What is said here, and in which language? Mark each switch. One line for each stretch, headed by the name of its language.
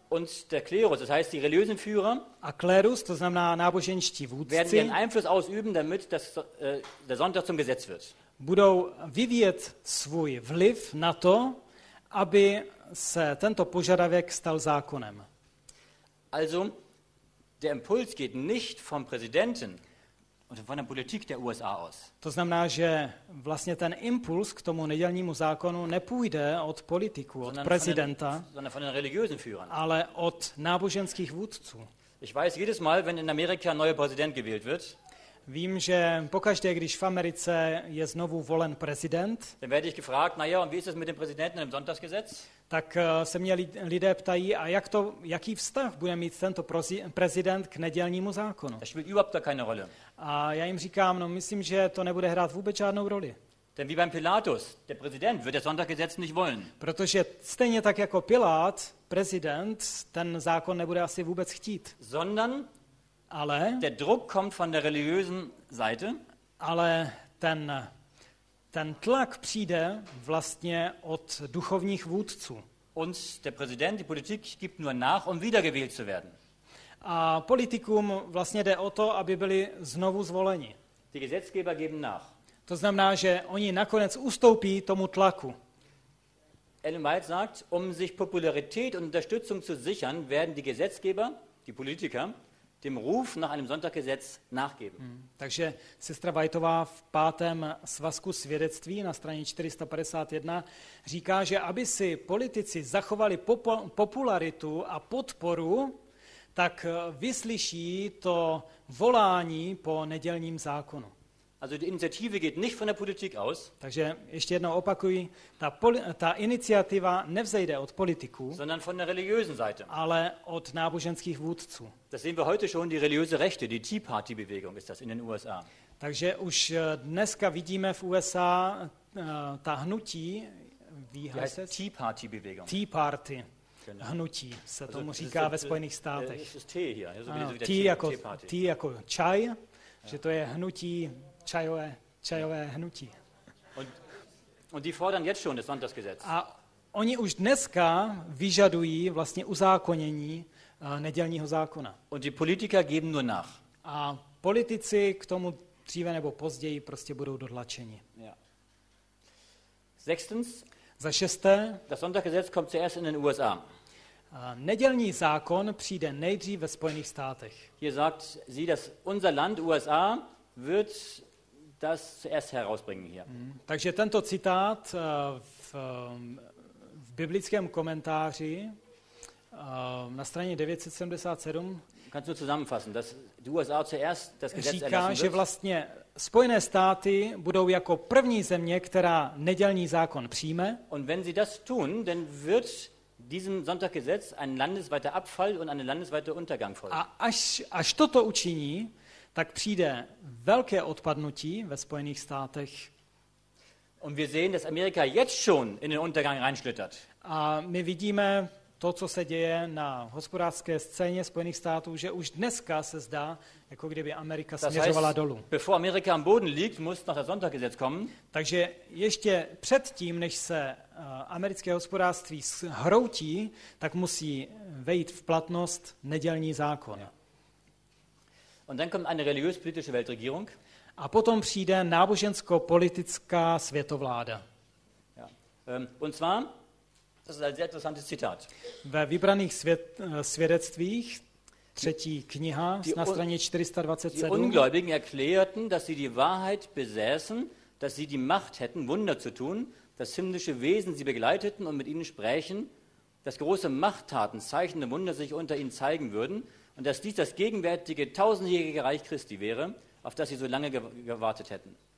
German: Und der Klerus, das heißt die religiösen Führer,
Czech: a klerus, to znamená náboženští vůdci,
German: werden ihren Einfluss ausüben, damit das, der Sonntag zum Gesetz wird.
Czech: Budou vyvíjet svůj vliv na to, aby se tento požadavek stal zákonem.
German: Also, der Impuls geht nicht vom Präsidenten und von der Politik der USA aus.
Czech: To znamená, že vlastně ten impuls k tomu nedělnímu zákonu nepůjde od politiku, od prezidenta,
German: sondern von den religiösen Führern.
Czech: Ale od náboženských vůdců.
German: Ich weiß, jedes Mal, wenn in Amerika ein neuer Präsident gewählt wird,
Czech: vím, že pokaždé, když v Americe je znovu volen prezident,
German: dann werde ich gefragt, na ja, und wie ist es mit dem Präsidenten im Sonntagsgesetz?
Czech: Tak se mě lidé ptají, a jak to, jaký vztah bude mít tento prezident k nedělnímu zákonu?
German: Das spielt überhaupt keine Rolle.
Czech: A já jim říkám, no myslím, že to nebude hrát vůbec žádnou roli.
German: Denn wie beim Pilatus, der Präsident wird das Sonntagsgesetz nicht wollen.
Czech: Protože stejně tak jako Pilát, prezident, ten zákon nebude asi vůbec chtít.
German: Sondern
Czech: ale
German: der Druck kommt von der religiösen Seite.
Czech: Ale ten tlak přijde vlastně od duchovních vůdců.
German: Und der Präsident, die Politik gibt nur nach, um wiedergewählt zu werden.
Czech: A politikům vlastně jde o to, aby byli znovu zvoleni.
German: Die Gesetzgeber geben nach.
Czech: To znamená, že oni nakonec ustoupí tomu tlaku.
German: Ellen White sagt, um sich Popularität und Unterstützung zu sichern, werden die Gesetzgeber, die Politiker, dem Ruf nach einem Sonntaggesetz nachgeben. Hmm.
Czech: Takže sestra Whiteová v pátém svazku svědectví na straně 451 říká, že aby si politici zachovali popularitu a podporu, tak vyslyší to volání po nedělním zákonu.
German: Also die Initiative geht nicht von der Politik aus.
Czech: Takže ještě jednou opakuji, ta iniciativa nevzejde od politiků,
German: sondern von der religiösen Seite.
Czech: Ale od náboženských vůdců.
German: Das sehen wir heute schon, die religiöse Rechte, die Tea Party Bewegung ist das in den USA.
Czech: Takže už dneska vidíme v USA ta hnutí,
German: wie heißt es? Tea Party Bewegung. Tea Party. Genau.
Czech: Hnutí se also, tomu říká ve Spojených státech.
English: Tea
Czech: jako čaj, ja. Že to je hnutí čajové hnutí.
German: Und die fordern jetzt schon das Sonntagsgesetz.
Czech: A oni už dneska vyžadují vlastně uzákonění nedělního zákona.
German: Und die Politiker geben nur nach.
Czech: A politici k tomu dříve nebo později prostě budou dotlačeni.
German: Ja. Sechstens,
Czech: za šesté,
German: das Sonntagsgesetz kommt zuerst in den USA.
Czech: Nedělní zákon přijde nejdřív ve Spojených státech.
German: Hier sagt sie, dass unser Land USA wird das zuerst herausbringen hier.
Czech: Takže tento citát v biblickém komentáři na straně 977.
German: Kannst du zusammenfassen, dass die USA zuerst das Gesetz erlassen wird?
Czech: Říká, že vlastně Spojené státy budou jako první země, která nedělní zákon přijme.
German: Und wenn sie das tun, dann wird diesem Sonntaggesetz ein landesweiter Abfall und eine landesweite Untergang folgen.
Czech: A až toto učiní, tak přijde velké odpadnutí ve Spojených státech.
German: Und wir sehen, dass Amerika jetzt schon in den Untergang reinschlittert.
Czech: A my vidíme to, co se děje na hospodářské scéně Spojených států, že už dneska se zdá, jako kdyby Amerika směřovala
German: das heißt,
Czech: dolů.
German: Bevor Amerika am Boden liegt, muss noch das Sonntaggesetz kommen.
Czech: Takže ještě předtím, než se americké hospodářství zhroutí, tak musí vejít v platnost nedělní zákon.
German: Und dann kommt eine religiös-politische Weltregierung.
Czech: A potom přijde nábožensko-politická světovláda.
German: Und zwar, das ist ein sehr interessantes Zitat.
Czech: Ve vybraných svědectvích, třetí kniha, na straně 427.
German: Die Ungläubigen erklärten, dass sie die Wahrheit besäßen, dass sie die Macht hätten, Wunder zu tun, dass himmlische Wesen sie begleiteten und mit ihnen sprechen, dass große Machttaten, Zeichen und Wunder sich unter ihnen zeigen würden und dass dies das gegenwärtige tausendjährige Reich Christi wäre, auf das sie so lange gewartet hätten.